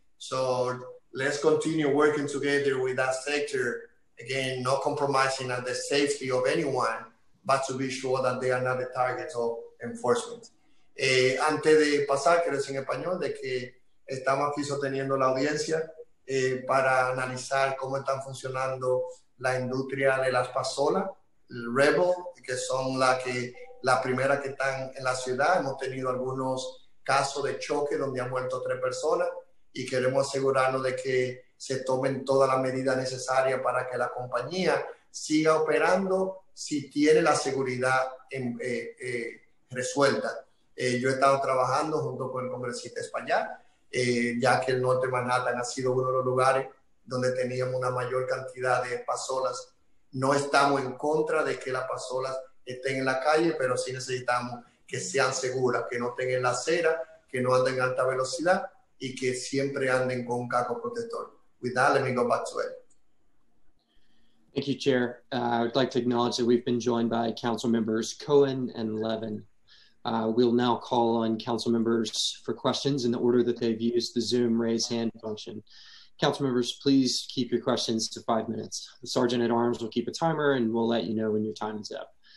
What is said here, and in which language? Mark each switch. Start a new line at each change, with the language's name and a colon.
English: So let's continue working together with that sector. Again, not compromising on the safety of anyone, but to be sure that they are not the targets of enforcement.
Spanish: Antes de pasar, quiero decir en español de que estamos aquí sosteniendo la audiencia para analizar cómo están funcionando la industria de las pasolas, el Rebel, que son las primeras que están en la ciudad. Hemos tenido algunos casos de choque donde han muerto 3 personas. Y queremos asegurarnos de que se tomen todas las medidas necesarias para que la compañía siga operando si tiene la seguridad en, resuelta. Yo he estado trabajando junto con el congresista español, ya que el norte de Manhattan ha sido uno de los lugares donde teníamos una mayor cantidad de pasolas. No estamos en contra de que las pasolas estén en la calle, pero sí necesitamos que sean seguras, que no estén en la acera, que no anden a alta velocidad y que siempre anden con un casco protector.
English: With that, let me go back to it. Thank you, Chair. I would like to acknowledge that we've been joined by Council Members Cohen and Levin. We'll now call on Council Members for questions in the order that they've used the Zoom raise hand function. Council Members, please keep your questions to 5 minutes. The Sergeant at Arms will keep a timer and we'll let you know when your time is up.